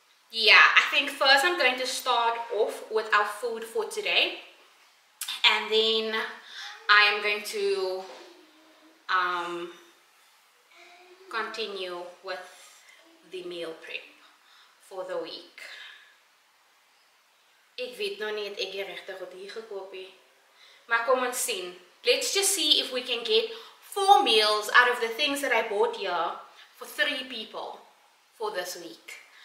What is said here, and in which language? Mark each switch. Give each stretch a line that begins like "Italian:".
English: Yeah, I think first I'm going to start off with our food for today. And then I am going to, continue with the meal prep for the week.
Afrikaans: Ek weet nog nie, ek het regtig goed hier gekoop nie. Maar kom ons sien.
English: Let's just see if we can get 4 meals out of the things that I bought here for 3 people for this week.